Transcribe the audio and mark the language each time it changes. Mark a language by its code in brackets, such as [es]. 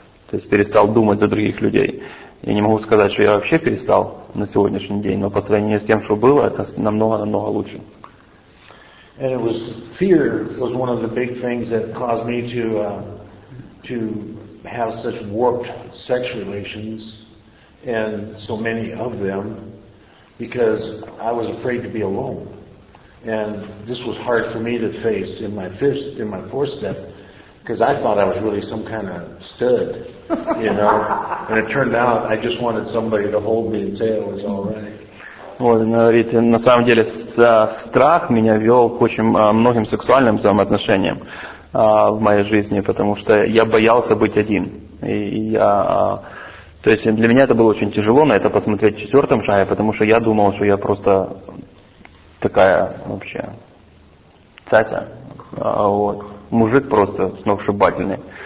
[ru] То есть перестал думать за других людей. Я не могу сказать, что я вообще перестал на сегодняшний день, но по сравнению с тем, что было, это намного лучше. [en] And it was fear was one of the big things that caused me to have such warped sex relations and so many of them, because I was afraid to be alone, and this was hard for me to face in my fourth step, because I thought I was really some kind of stud, you know, and it turned out I just wanted somebody to hold me and say it was all right. [ru] Вот, он говорит, на самом деле страх меня вел к очень многим сексуальным взаимоотношениям в моей жизни, потому что я боялся быть один. То есть для меня это было очень тяжело на это посмотреть в четвертом шаге, потому что я думал, что я просто такая вообще цатя, вот, мужик просто сногсшибательный.